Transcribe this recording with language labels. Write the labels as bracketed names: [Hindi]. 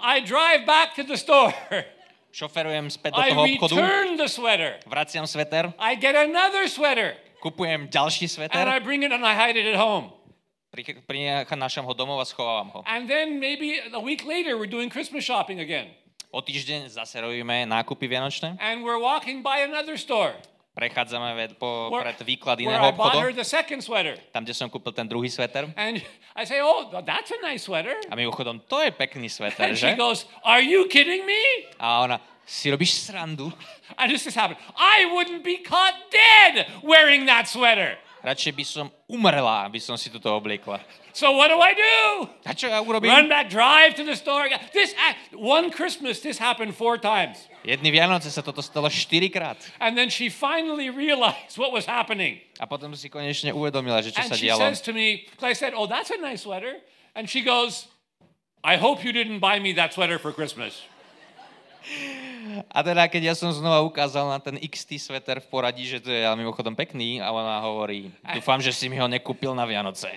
[English] I drive back to the store. [Slovak] Šoferujem späť do toho obchodu. [English] I return the sweater. [Slovak] Vraciam sveter. [English] I get another sweater. [Slovak] Kupujem ďalší sveter. [English] And I bring it and I hide it at home. [Slovak] Prinášam ho domov a schovávam ho. [English] And then maybe a week later we're doing Christmas shopping again. [Slovak] O týždeň zase robíme nákupy vianočné. [English] And we're walking by another store. [Slovak] Prechádzame pred výklad iného obchodu. [English] Where I bought the second sweater. [Slovak] Tam, kde som kúpil ten druhý sveter. [English] And I say, oh, that's a nice sweater. [Slovak] A mimochodom, to je pekný sveter, [English] and [Slovak] že? [English] She goes, are you kidding me? [Slovak] A ona, si robíš srandu? [English] And this has happened. I wouldn't be caught dead wearing that sweater. [Slovak] Radšej by som umrela, aby som si toto obliekla. [English] So what do I do? [Slovak] A čo ja urobím? [English] Run back, drive to the store. This one Christmas, this happened 4 times. [Slovak] Jedný Vianoce sa toto stalo 4-krát. [English] And then she finally realized what was happening. [Slovak] A potom si konečne uvedomila, že čo [English] and [Slovak] sa dialo. [English] And she says to me, I said, oh, that's a nice sweater. And she goes, I hope you didn't buy me that sweater for Christmas. [Slovak] A teda, keď ja som znova ukázal na ten XT sweater v poradí, že to je ale mimochodom pekný, a ona hovorí, dúfam, že si mi ho nekúpil na Vianoce.